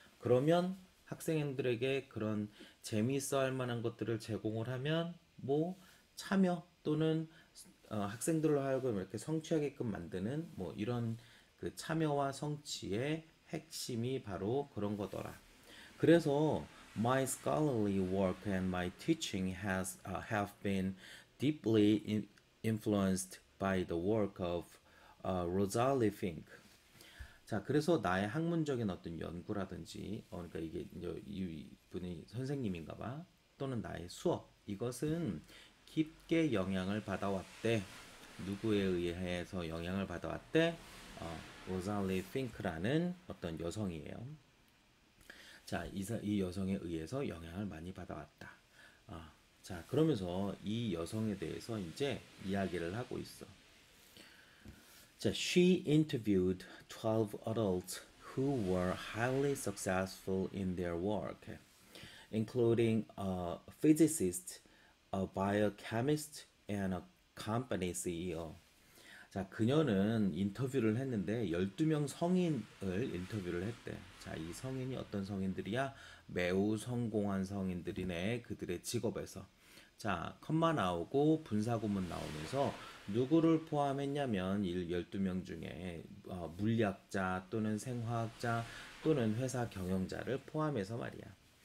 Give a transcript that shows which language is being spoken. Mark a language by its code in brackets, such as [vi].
[ko] 그러면 학생들에게 그런 재미있어 할 만한 것들을 제공을 하면 뭐 참여 또는 학생들로 하여금 이렇게 성취하게끔 만드는 뭐 이런 그 참여와 성취의 핵심이 바로 그런 거더라. 그래서 [en] my scholarly work and my teaching have been deeply influenced by the work of Rosalie Fink. [ko] 자, 그래서 나의 학문적인 어떤 연구라든지, 그러니까 이게 이 분이 선생님인가 봐. 또는 나의 수업. 이것은 깊게 영향을 받아왔대. 누구에 의해서 영향을 받아왔대? 로잘리 핑크라는 어떤 여성이에요. 자, 이 여성에 의해서 영향을 많이 받아왔다. 자, 그러면서 이 여성에 대해서 이제 이야기를 하고 있어. [en] 자, she interviewed 12 adults who were highly successful in their work, including a physicist, a biochemist, and a company CEO. [ko] 자, 그녀는 인터뷰를 했는데, 12명 성인을 인터뷰를 했대. 자, 이 성인이 어떤 성인들이야? 매우 성공한 성인들이네, 그들의 직업에서. 자, 컴마 나오고 분사구문 나오면서 누구를 포함했냐면 12명 중에 물리학자 또는 생화학자 또는 회사 경영자를 포함해서 말이야.